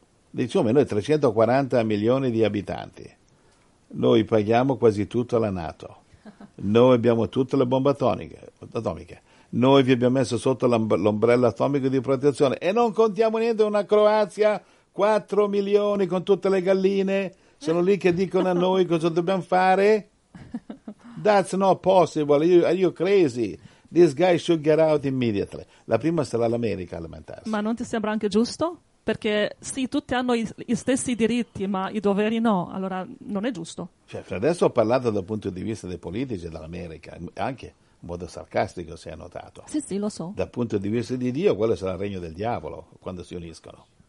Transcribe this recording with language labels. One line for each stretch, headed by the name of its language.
Italian: Diciamo, noi 340 milioni di abitanti. Noi paghiamo quasi tutto alla NATO, noi abbiamo tutte le bombe atomiche, noi vi abbiamo messo sotto l'ombrello atomico di protezione e non contiamo niente, una Croazia, 4 milioni con tutte le galline, sono lì che dicono a noi cosa dobbiamo fare.
English: That's not possible, are you crazy? This guy should get out immediately.
Italian: La prima sarà l'America a lamentarsi. Ma non ti sembra anche giusto? Perché sì, tutti hanno gli stessi diritti, ma i doveri no, allora non è giusto. Cioè, adesso ho parlato dal punto di vista dei politici dell'America, anche in modo sarcastico si è notato. Sì, sì, lo so. Dal punto di vista di Dio, quello sarà il regno del diavolo quando si uniscono.